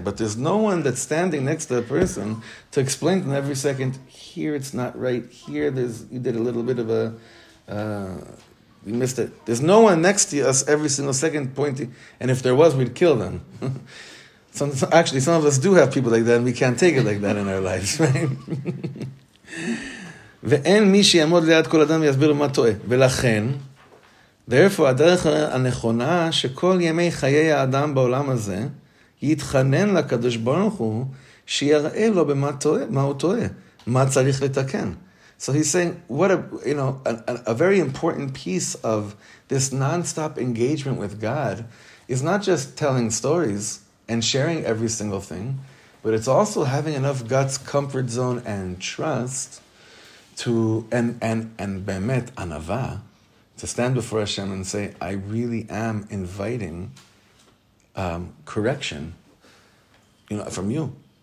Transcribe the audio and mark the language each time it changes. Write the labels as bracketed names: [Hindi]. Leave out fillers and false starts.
[English] But there's no one that's standing next to a person to explain to them every second, here it's not right, here there's, you did a little bit of a... We missed it. There's no one next to us every single second pointing. And if there was, we'd kill them. some of us do have people like that, and we can't take it like that in our lives, right? [Hebrew] Ve'en mi she'yamod liad kol adam yasbir lo ma to'e. Ve'lachen, therefore, הדרך הנכונה שכל ימי חיי האדם בעולם הזה יתחנן לקדוש ברוך הוא שיראה לו במה טועה, מה הוא טועה, מה צריך לתקן. [English] So he's saying, what a, you know, a very important piece of this non-stop engagement with God is not just telling stories and sharing every single thing, but it's also having enough guts, comfort zone, and trust to, and bemet anava, to stand before Hashem and say, I really am inviting correction, you know, from you.